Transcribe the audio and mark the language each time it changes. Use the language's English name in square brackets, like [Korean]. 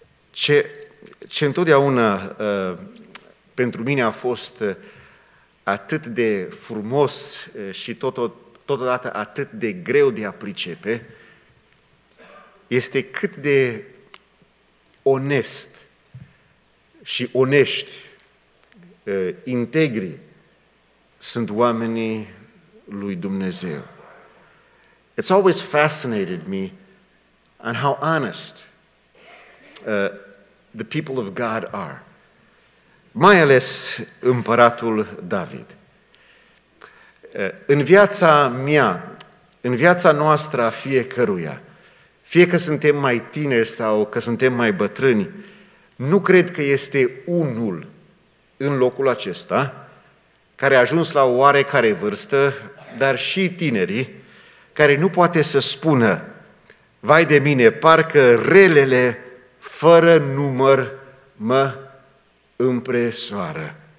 [Romanian] Ce întotdeauna pentru mine a fost atât de frumos și totodată atât de greu de a pricepe, este cât de onest și onești, integri sunt oamenii lui Dumnezeu. [English] It's always fascinated me on how honest the people of God are. [Romanian] Mai ales împăratul David. În viața mea, în viața noastră a fiecăruia, fie că suntem mai tineri sau că suntem mai bătrâni, nu cred că este unul în locul acesta care a ajuns la oarecare vârstă, dar și tinerii, care nu poate să spună: vai de mine, parcă relele fără număr mă împresoară.